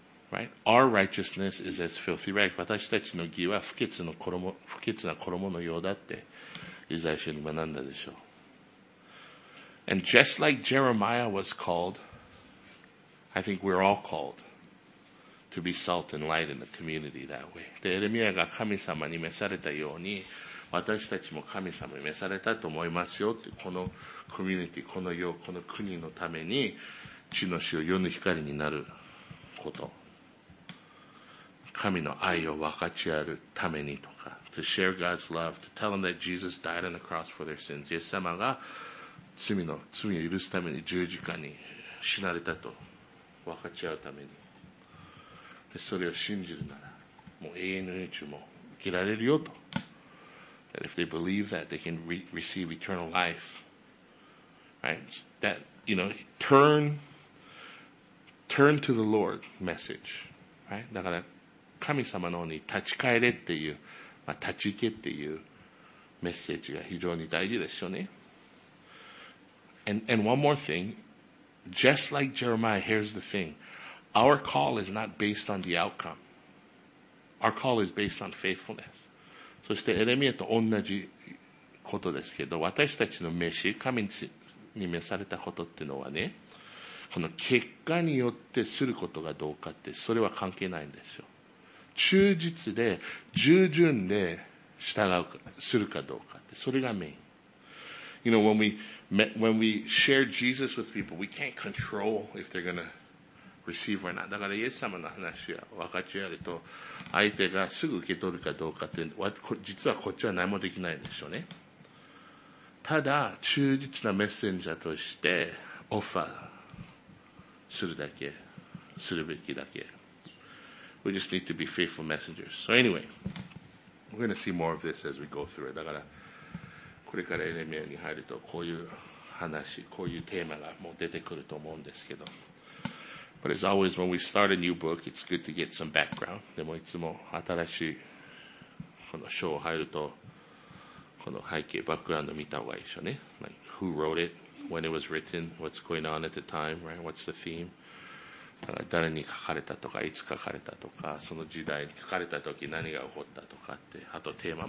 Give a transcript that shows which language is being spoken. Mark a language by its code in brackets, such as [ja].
[en] Right? Our righteousness is as filthy rags. [ja] 私たちの義は不潔な衣のようだって。イザヤ書に学んだでしょう。 [en] And just like Jeremiah was called, I think we're all called to be salt and light in the community that way. [ja] で、エレミアが神様に召されたように、私たちも神様に召されたと思いますよって、このコミュニティ、この世、この国のために、地の塩、世の光になること。神の愛を分かち合うためにとか、 [en] to share God's love, to tell them that Jesus died on the cross for their sins. [ja] イエス様が罪を許すために十字架に死なれたと分かち合うために。で、それを信じるなら、もう永遠の命も受けられるよと。 [en] And if they believe that, they can receive eternal life. Right? That, you know, turn to the Lord message, right? [ja] だから神様の方に立ち返れっていう、まあ、立ち行けっていうメッセージが非常に大事ですよね。 [en] And one more thing, just like Jeremiah, here's the thing. Our call is not based on the outcome. Our call is based on faithfulness. [ja] そしてエレミアと同じことですけど、私たちの召し、神に召されたことっていうのはね、この結果によってすることがどうかって、それは関係ないんですよ。忠実で、従順で従うか、するかどうかって、それがメイン。 [en] You know, when we share Jesus with people, we can't control if they're gonna receive or not. [ja] だからイエス様の話は分かち合うと、相手がすぐ受け取るかどうかって、実はこっちは何もできないんでしょうね。ただ、忠実なメッセンジャーとして、オファーするだけ、するべきだけ。 [en] We just need to be faithful messengers. So anyway, we're going to see more of this as we go through it. [ja] だから、これからエレミアに入ると、こういう話、こういうテーマがもう出てくると思うんですけど。 [en] But as always, when we start a new book, it's good to get some background. [ja] でもいつも新しい、この章入ると、この背景、バックグラウンド見た方がいいでしょうね。 [en] Like, who wrote it? When it was written? What's going on at the time? Right? What's the theme? [ja] 誰に書かれたとか、いつ書かれたとか、その時代に書かれた時何が起こったとかって、あとテーマ。